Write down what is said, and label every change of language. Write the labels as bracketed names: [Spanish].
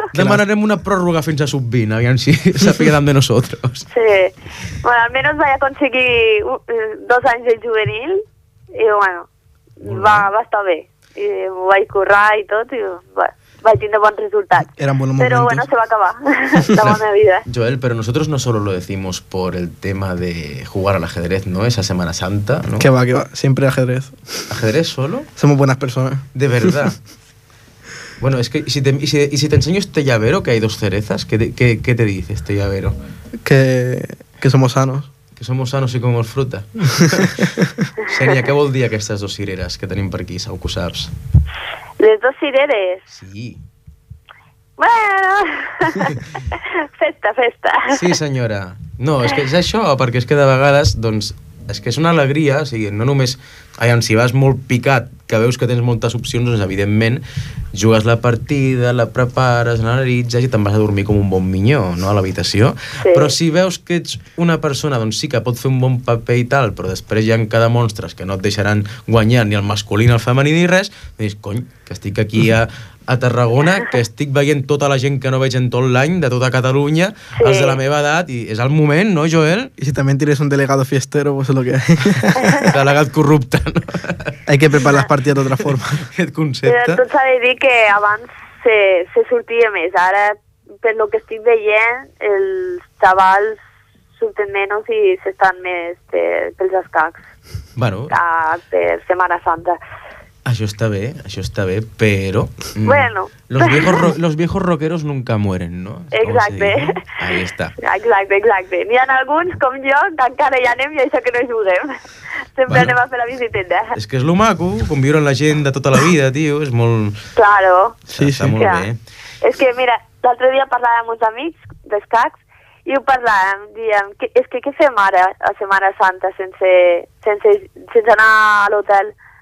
[Catalan] Demanarem una pròrroga fins a sub-20, aviam si sàpiga d'en [Spanish] de nosotros. [Catalan] Sí, bueno, almenys vaig aconseguir 2 anys de juvenil, i bueno, va estar bé, i ho vaig currar i tot, i bueno. [Spanish] Va teniendo buen resultado. Pero bueno, se va a acabar. La buena vida. Joel, pero nosotros no solo lo decimos por el tema de jugar al ajedrez, ¿no? Esa Semana Santa, ¿no? Que va. Siempre ajedrez. ¿Ajedrez solo? Somos buenas personas. De verdad. Bueno, es que si te enseño este llavero, que hay dos cerezas, ¿qué te dice este llavero? Que somos sanos. Que som sanos i com el fruta. [Catalan] Xènia, què vol dir aquestes dos cireres que tenim per aquí, segur que ho saps? Les dos cireres? Sí. Bueno, festa, festa. Sí, senyora. No, és que és això, perquè és que de vegades, doncs, és que és una alegria, o sigui, no només... Aviam, si vas molt picat, que veus que tens moltes opcions, doncs, evidentment, jugues la partida, la prepares, analitzes i te'n vas a dormir com un bon minyó, no?, a l'habitació. Sí. Però si veus que ets una persona, doncs sí que pot fer un bon paper i tal, però després hi ha cada monstres que no et deixaran guanyar ni el masculí, ni el femení, ni res, dius, cony, que estic aquí a Tarragona, que estic veient tota la gent que no veig en tot l'any, de tota Catalunya, sí, els de la meva edat, i és el moment, no, Joel? I si també tires un [Spanish] delegado fiestero, pues es lo que hay. [Catalan] Delegat corrupte, no? [Spanish] Hay que preparar las partidas de otra forma. [Catalan] Aquest concepte. Però tot s'ha de dir que abans se sortia més. Ara, per lo que estic veient, els xavals surten menys i s'estan més pels escacs. Bueno. Per Setmana Santa. Això està bé, però... Bueno. [Spanish] Los viejos rockeros nunca mueren, ¿no? [Catalan] Exacte. [Spanish] Ahí está. [Catalan] Exacte, exacte. N'hi ha alguns, com jo, que encara hi anem i això que no juguem. Sempre bueno, anem a fer la visiteta. És que és lo maco, conviure amb la gent de tota la vida, tio, és molt... Claro. Sí, sí. Està molt bé. És que, mira, l'altre dia parlàvem amb uns amics d'escacs i ho parlàvem, diem, és que què fem ara, a Setmana Santa, sense anar a l'hotel...